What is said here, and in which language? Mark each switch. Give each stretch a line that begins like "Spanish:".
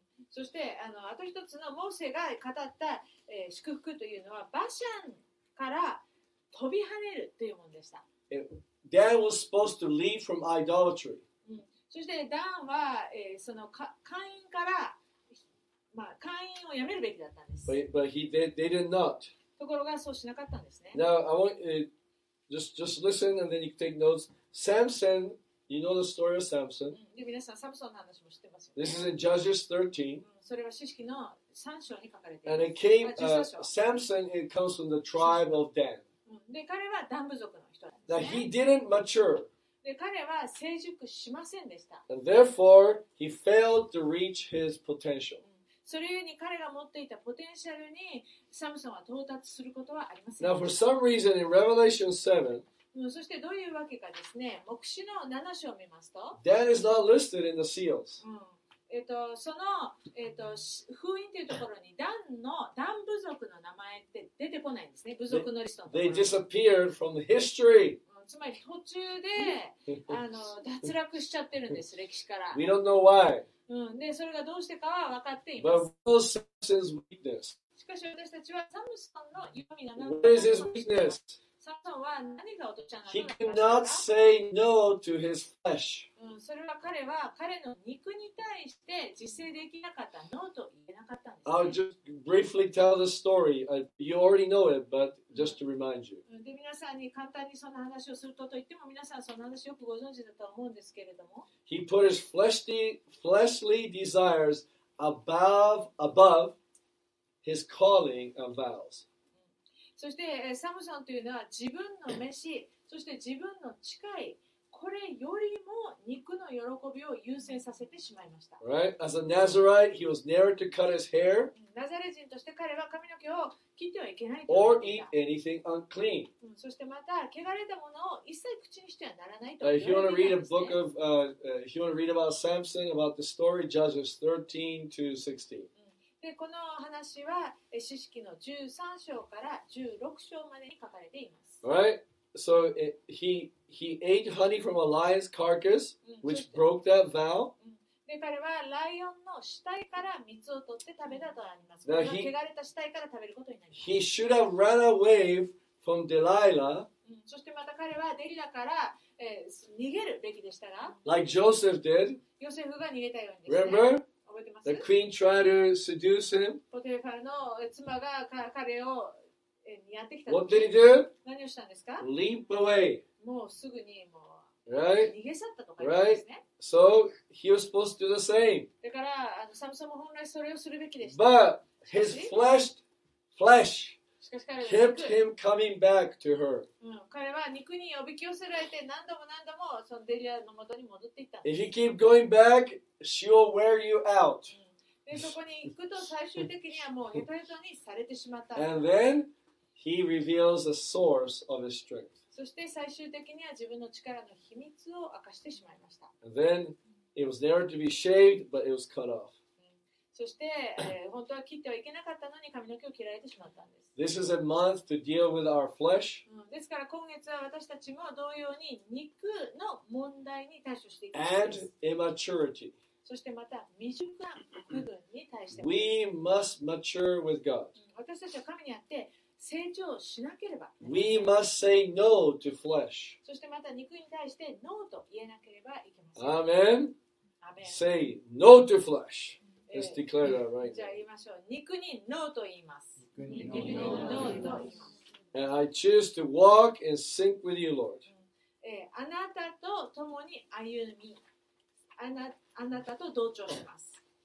Japanese: そして、あと一つのモーセが語った、祝福というのは、バシャンから飛び跳ねるというものでした。
English: It, Dan was supposed to leave from idolatry.
Japanese: そしてダンは、そのカインから、まあ、カインをやめるべきだったんです。
English: But he did, they did not.
Japanese: ところがそうしなかったんですね。
English: Now, I want, just listen and then you can take notes. Samson, you know the story of Samson.
Japanese: で皆さん、サムソンの話も知ってますよね。
English: This is in Judges 13.
Japanese: それは詩式の3章に書かれています。
English: And it came, Samson, it comes from the tribe of Dan.
Japanese: で彼はダン部族の人なんですね。
English: Now, he didn't mature.
Japanese: で彼は成熟しませんでした。
English: And therefore, he failed to reach his potential.
Japanese: それゆえに彼が持っていたポテンシャルにサムソンは到達することはありません。
English: Now, for some reason, in Revelation 7,
Japanese: そしてどういうわけかですね、黙示の7章を見ますと、
English: Dan is not listed in the seals.
Japanese: その、封印というところにダンのダン部族の名前って出てこないんですね、部族のリストのところに。
English: They disappeared from the history.
Japanese: つまり途中で脱落しちゃってるんです、歴史から。
English: We don't know why.、
Japanese: で、それがどうしてかは分かっています。
English: But what is Samson's weakness?
Japanese: しかし私たちはサムソンの弱みが何だろう。
English: What is his weakness?
Japanese: サムソンは何が落としたのか。
English: He cannot say no to his flesh.、
Japanese: それは彼は彼の肉に対して自制できなかった。 No と言えなかったんです、ね。
English: I'll just briefly tell the story. You already know it, but just to remind you.
Japanese: で皆さんに簡単にその話をするとといっても皆さんその話よくご存知だと思うんですけれども
English: He put his fleshly desires above his calling and vows.
Japanese: そしてサムソンというのは自分の召しそして自分の誓いこれよりも肉の喜びを優先させてしまいました
English: Right? As a Nazarite, he was never to cut his hair
Japanese: ナザレ人として彼は髪の毛を切ってはいけない
English: Or eat anything unclean、
Japanese: そしてまた汚れたものを一切口にしてはならないと
English: If you want to read a book of if you want to read about Samson about the story Judges 13 to 16
Japanese: でこの話は詩式の13章から16章までに書かれています
English: Right? So he ate honey from a lion's carcass, which broke that vow.
Japanese: で彼はライオンの死体から蜜を取って食べたとあります。この汚れた死体から食べることになります。
English: He should have run away from Delilah.
Japanese: そしてまた彼はデリラから、逃げるべきでしたが。
English: Like Joseph did.
Japanese: ヨセフが逃げたようにですね。
English: Remember? The queen tried to seduce him.
Japanese: ポテファーの妻が彼を
English: What did he do?
Japanese: 何をしたんですか?
English: Leap away.
Japanese: もうすぐにもう、
English: right?
Japanese: 逃げ去ったとか言うんですね。
English: Right? So he was supposed to do the same.
Japanese: だからサムソンも本来それをするべきでした。
English: But his flesh
Japanese: しかし彼は
English: kept him coming back to her.、
Japanese: 彼は肉におびき寄せられて何度もそのデリアの元に戻っていった。
English: If you keep going back, she will wear you out.、
Japanese: でそこに行くと最終的にはもうヘトヘトにされてしまった。
English: And then,He reveals the source of his strength.
Japanese: そして最終的には自分の力の秘密を明かしてしまいました。
English: Then it was never to be shaved, but it was cut off.
Japanese: そして本当は切ってはいけなかったのに髪の毛を切られてしまったんです。
English: This is a month to deal with our flesh.
Japanese: ですから今月は私たちも同様に肉の問題に対処していきます。
English: And immaturity.
Japanese: そしてまた未熟な部分に対しても。
English: We must mature with God.
Japanese: 私たちは神にあって成長しなければ。
English: We must say no to flesh.
Japanese: そしてまた肉に対して no と言えなければいけません。
English: Amen. Amen. Say no to flesh. Let's declare that right.
Japanese: じゃあ言いましょう。肉に no と言います。肉に no と言います。
English: And I choose to walk and sink with you, Lord.
Japanese: あなたと共に歩み、あなたと同調します。